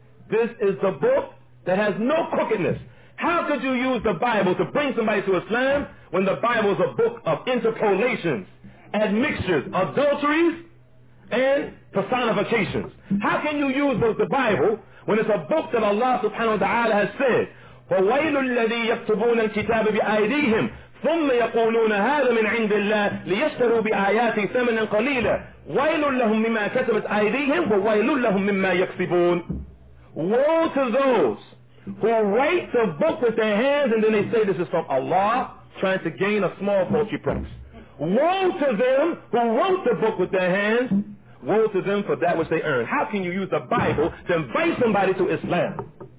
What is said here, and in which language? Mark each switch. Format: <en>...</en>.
<en>This is the book that has no crookedness. How could you use the Bible to bring somebody to Islam when the Bible is a book of interpolations, admixtures, adulteries, and personifications? How can you use the Bible when it's a book that Allah subhanahu wa ta'ala has said,</en> <ar>فَوَيْلُ الَّذِي يَكْتُبُونَ الْكِتَابِ بِأَيْدِيهِمْ ثم يقولون هذا من عند الله ليشتروا بآياتي ثمنا قليلا ويل لهم مما كتبت أيديهم وويل لهم مما يكسبون.</ar> <en>Woe to those who write the book with their hands and then they say this is from Allah trying to gain a small poultry price. Woe to them who wrote the book with their hands. Woe to them for that which they earned. How can you use the Bible to invite somebody to Islam?</en>